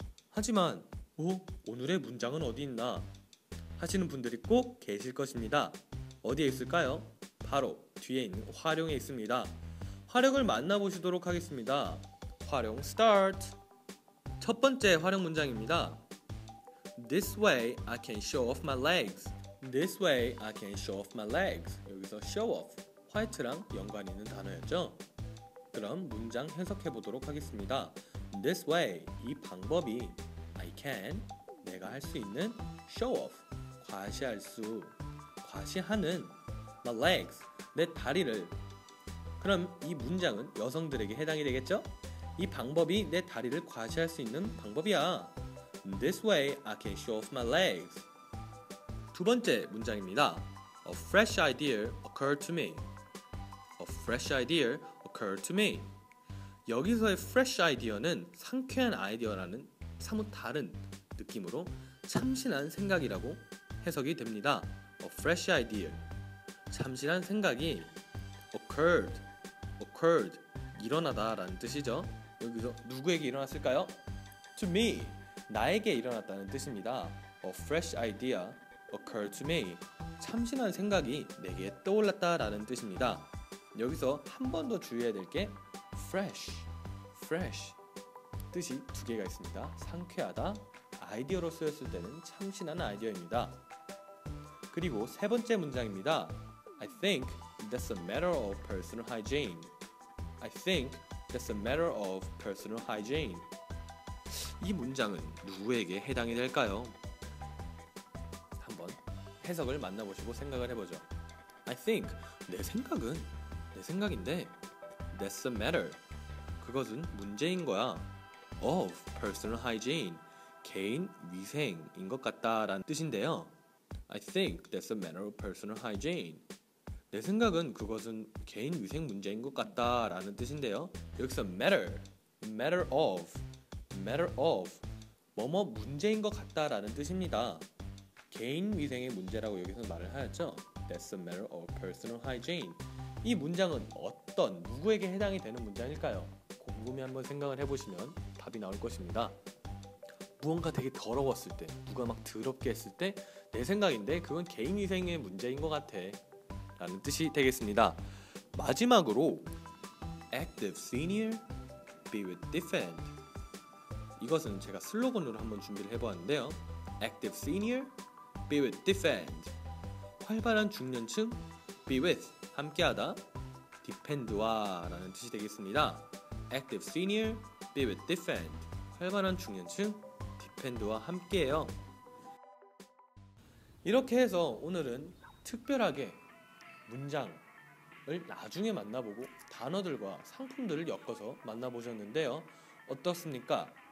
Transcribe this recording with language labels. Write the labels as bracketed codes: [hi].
[ko] 하지만 오늘의 문장은 어디 있나 하시는 분들이 꼭 계실 것입니다. 어디에 있을까요? 바로 뒤에 있는 활용에 있습니다. 활용을 만나보시도록 하겠습니다. 활용 start. 첫 번째 활용 문장입니다. [en] This way I can show off my legs. This way I can show off my legs. [ko] 여기서 show off, 화이트랑 연관이 있는 단어였죠. 그럼 문장 해석해 보도록 하겠습니다. [en] This way, [ko] 이 방법이 [en] I can, [ko] 내가 할 수 있는 show off, 과시할 수, 과시하는 [en] my legs, [ko] 내 다리를. 그럼 이 문장은 여성들에게 해당이 되겠죠? 이 방법이 내 다리를 과시할 수 있는 방법이야. [en] This way I can show off my legs. [ko] 두 번째 문장입니다. [en] A fresh idea occurred to me. A fresh idea occurred to me. [ko] 여기서의 fresh idea는 상쾌한 아이디어라는 사뭇 다른 느낌으로 참신한 생각이라고 해석이 됩니다. [en] A fresh idea, [ko] 참신한 생각이 occurred, occurred, 일어나다 라는 뜻이죠. 여기서 누구에게 일어났을까요? [en] To me, [ko] 나에게 일어났다는 뜻입니다. [en] A fresh idea occurred to me, [ko] 참신한 생각이 내게 떠올랐다 라는 뜻입니다. 여기서 한 번 더 주의해야 될 게 fresh, fresh, 뜻이 두 개가 있습니다. 상쾌하다, 아이디어로 쓰였을 때는 참신한 아이디어입니다. 그리고 세 번째 문장입니다. [en] I think that's a matter of personal hygiene. I think that's a matter of personal hygiene. [ko] 이 문장은 누구에게 해당이 될까요? 한번 해석을 만나보시고 생각을 해보죠. [en] I think, [ko] 내 생각은 내 생각인데 [en] That's a matter, [ko] 그것은 문제인 거야. [en] Of personal hygiene, [ko] 개인 위생인 것 같다라는 뜻인데요. [en] I think that's a matter of personal hygiene. [ko] 내 생각은 그것은 개인 위생 문제인 것 같다라는 뜻인데요. 여기서 matter, matter of, matter of, 뭐뭐 문제인 것 같다라는 뜻입니다. 개인 위생의 문제라고 여기서 말을 하였죠. [en] That's a matter of personal hygiene. [ko] 이 문장은 어떤 누구에게 해당이 되는 문장일까요? 곰곰이 한번 생각을 해보시면 답이 나올 것입니다. 무언가 되게 더러웠을 때, 누가 막 더럽게 했을 때 내 생각인데 그건 개인 위생의 문제인 것 같아 라는 뜻이 되겠습니다. 마지막으로 [en] active senior be with defend. [ko] 이것은 제가 슬로건으로 한번 준비를 해보았는데요. [en] active senior be with defend. [ko] 활발한 중년층 [en] be with [ko] 함께하다 depend와 라는 뜻이 되겠습니다. [en] active senior be with defend. [ko] 활발한 중년층 depend와 함께해요. 이렇게 해서 오늘은 특별하게 문장을 나중에 만나보고 단어들과 상품들을 엮어서 만나보셨는데요. 어떻습니까?